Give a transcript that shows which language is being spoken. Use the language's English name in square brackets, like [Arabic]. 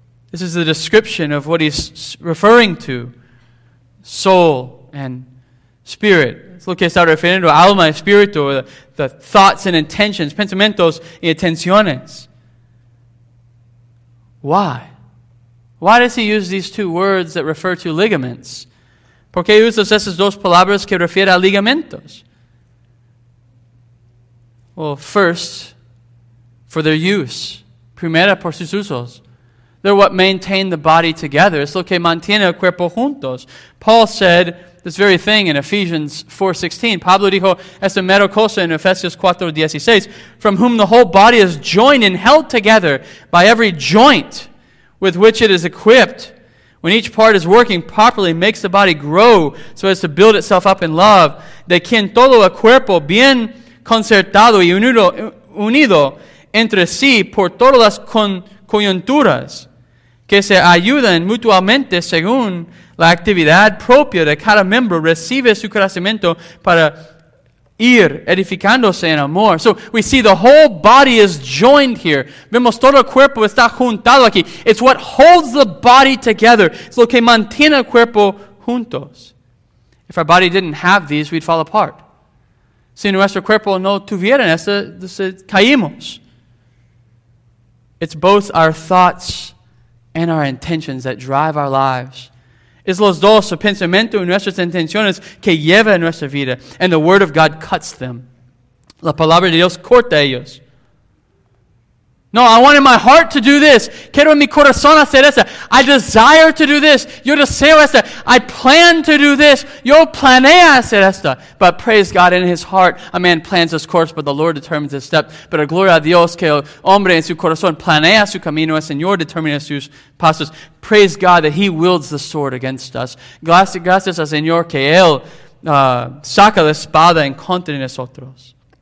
[English] This is the description of what he's referring to, soul and spirit. [Spanish] Es lo que está refiriendo, alma y espíritu, [English] the thoughts and intentions, [Spanish] pensamientos y intenciones. [English] Why? Why does he use these two words that refer to ligaments? [Spanish] ¿Por qué usa esas dos palabras que refiere a ligamentos? [English] Well, first, for their use. [Spanish] Primera, por sus usos. [English] They're what maintain the body together. [Spanish] Es lo que mantiene el cuerpo juntos. [English] Paul said this very thing in Ephesians 4:16. [Spanish] Pablo dijo esta mera cosa en Efesios 4:16. [English] From whom the whole body is joined and held together by every joint with which it is equipped. When each part is working properly, makes the body grow so as to build itself up in love. [Spanish] De quien todo el cuerpo bien concertado y unido entre sí por todas las coyunturas que se ayudan mutuamente según la actividad propia de cada miembro recibe su crecimiento para ir edificándose en amor. [English] So we see the whole body is joined here. [Spanish] Vemos todo el cuerpo está juntado aquí. [English] It's what holds the body together. [Spanish] Es lo que mantiene el cuerpo juntos. [English] If our body didn't have these, we'd fall apart. [Spanish] Si nuestro cuerpo no tuviera eso, caímos. [English] It's both our thoughts and our intentions that drive our lives. [Spanish] Es los dos, el pensamiento y nuestras intenciones que lleva nuestra vida. [English] And the Word of God cuts them. [Spanish] La palabra de Dios corta ellos. [English] No, I want in my heart to do this. [Spanish] Quiero en mi corazón hacer eso. [English] I desire to do this. [Spanish] Yo deseo esto. [English] I plan to do this. [Spanish] Yo planeo hacer esto. [English] But praise God, in his heart, a man plans his course, but the Lord determines his step. [Spanish] Pero gloria a Dios que el hombre en su corazón planea su camino, el Señor determina sus pasos. [English] Praise God that he wields the sword against us. [Spanish] Gracias al Señor que él saca la espada en contra de nosotros.